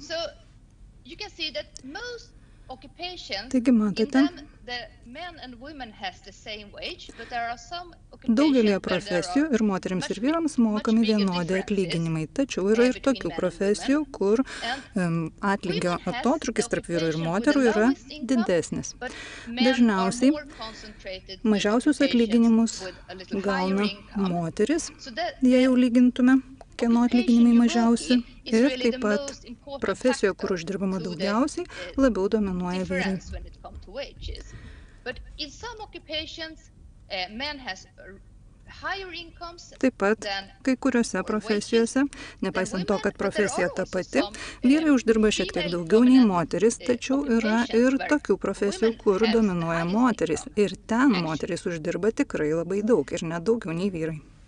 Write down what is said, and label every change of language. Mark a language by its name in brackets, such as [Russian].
[English] So, you can see that most occupations, [Lithuanian] taigi matote, daugelio profesijų ir moterims ir vyrams mokami vienodi atlyginimai, tačiau yra ir tokių profesijų, kur atlygio atotrūkis tarp vyrų ir moterų yra didesnis. Dažniausiai mažiausius atlyginimus gauna moteris, jei jau lygintume, kieno atlyginimai mažiausi, ir taip pat profesijoje, kur uždirbama daugiausiai, labiau dominuoja vyrai. [English] But in some occupations, man has [Lithuanian] Taip pat kai kuriuose profesijose, nepaisant to, kad profesija ta pati, vyrai uždirba šiek tiek daugiau nei moteris, tačiau yra ir tokių profesijų, kur dominuoja moteris. Ir ten moteris uždirba tikrai labai daug ir net daugiau nei vyrai.